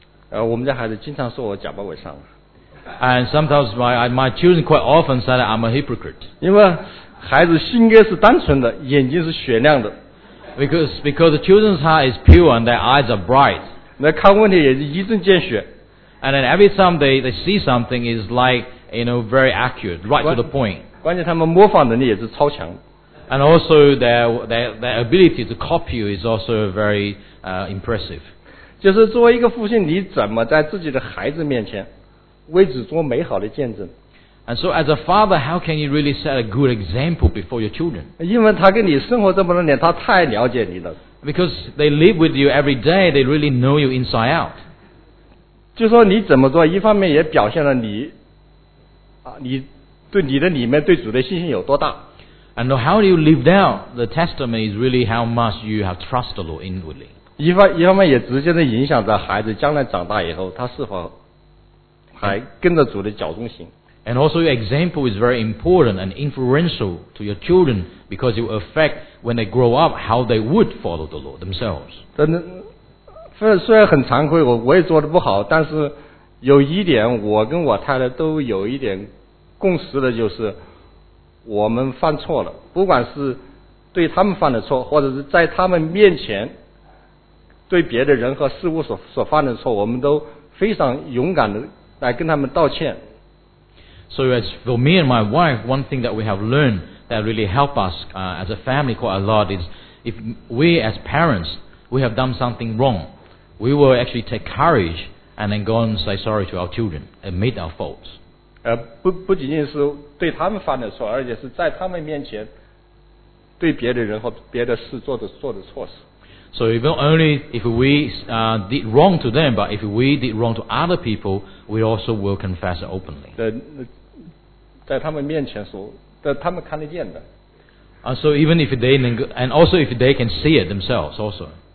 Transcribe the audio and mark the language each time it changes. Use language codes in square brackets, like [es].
[zh] 我们家孩子经常说我假包伪善。 [en] And sometimes my children quite often say that I'm a hypocrite. [zh] 因为孩子心格是单纯的，眼睛是雪亮的。 [en] Because the children's heart is pure and their eyes are bright. [zh] 那看问题也是一针见血。 [en] And then every time they see something is like, you know, very accurate, right to the point. [zh] 关键他们模仿能力也是超强。 [en] And also their ability to copy you is also very impressive. [zh] 就是作为一个父亲，你怎么在自己的孩子面前为子做美好的见证？ [en] And so as a father, how can you really set a good example before your children? [zh] 因为他跟你生活这么多年，他太了解你了。 [en] Because they live with you every day, they really know you inside out. [zh] 就说你怎么做，一方面也表现了你对你的里面对主的信心有多大。 [en] And how you live out the testimony is really how much you have trust the Lord inwardly. [zh] 一方面也直接的影响着孩子将来长大以后他是否还跟着主的脚中行。 [en] And also your example is very important and influential to your children because it will affect when they grow up how they would follow the Lord themselves. [zh] 虽然很惭愧我也做得不好但是有一点我跟我太太都有一点共识的就是我们犯错了不管是对他们犯的错或者是在他们面前对别的人和事物 所犯的错我们都非常勇敢的来跟他们道歉。 [en] So as for me and my wife, one thing that we have learned that really helped us as a family quite a lot is if we as parents, we have done something wrong, we will actually take courage and then go and say sorry to our children, admit our faults. [zh] 不仅仅是对他们犯的错而且是在他们面前对别的人和别的事做的错事。 [en] So even only if we did wrong to them, but if we did wrong to other people, we also will confess it openly. [zh] 在他们面前说，在他们看得见的。 [en] So even if they can, and also if they can see it themselves, also.